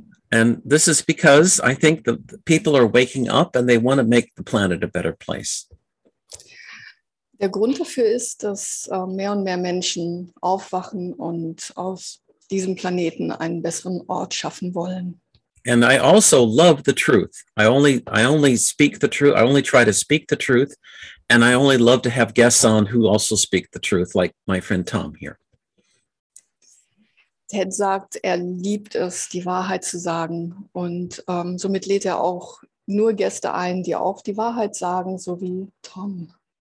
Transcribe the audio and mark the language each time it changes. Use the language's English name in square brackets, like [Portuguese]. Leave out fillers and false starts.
[English] And this is because I think the people are waking up and they want to make the planet a better place. [German] Der Grund dafür ist, dass mehr und mehr Menschen aufwachen und auf diesem Planeten einen besseren Ort schaffen wollen. [English] And I also love the truth. I only speak the truth. I only try to speak the truth. And I only love to have guests on who also speak the truth, like my friend Tom here. [German] Ted sagt, er liebt es, die Wahrheit zu sagen. Und somit lädt er auch nur Gäste ein, die auch die Wahrheit sagen, so wie Tom.